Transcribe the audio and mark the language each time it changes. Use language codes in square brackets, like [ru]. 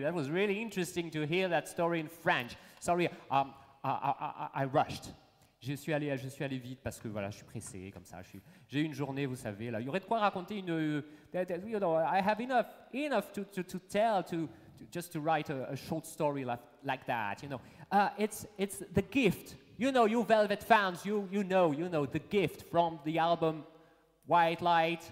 [en] That was really interesting to hear that story in French. Sorry, I rushed. [fr] Je suis allé vite parce que voilà, je suis pressé comme ça. J'ai une journée, vous savez. Là, il y aurait de quoi raconter une. [en] You know, I have enough to tell to write a short story like that. You know, it's the gift. You know, you Velvet fans, you know the gift from the album White Light,